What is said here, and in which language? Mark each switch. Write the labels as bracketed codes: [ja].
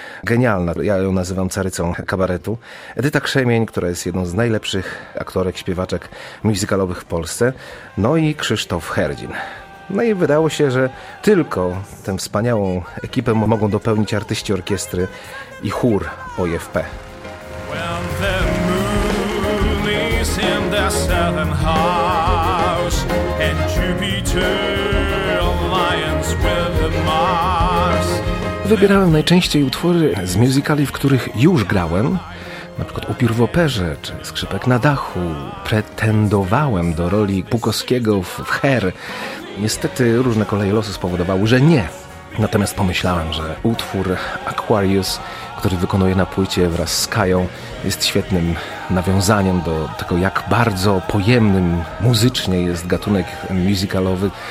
[pl] Genialna, ja ją nazywam carycą kabaretu. Edyta Krzemień, która jest jedną z najlepszych aktorek, śpiewaczek musicalowych w Polsce. No i Krzysztof Herdzin. No i wydało się, że tylko tę wspaniałą ekipę mogą dopełnić artyści orkiestry i chór OFP. [en] When the moon is in the southern house and Jupiter aligns with the Mars. [pl] Wybierałem najczęściej utwory z musicali, w których już grałem, na przykład Upiór w operze, czy Skrzypek na dachu. Pretendowałem do roli Pukowskiego w Her. Niestety różne koleje losu spowodowały, że nie. Natomiast pomyślałem, że utwór Aquarius, który wykonuje na płycie wraz z Kają, jest świetnym nawiązaniem do tego, jak bardzo pojemnym muzycznie jest gatunek musicalowy.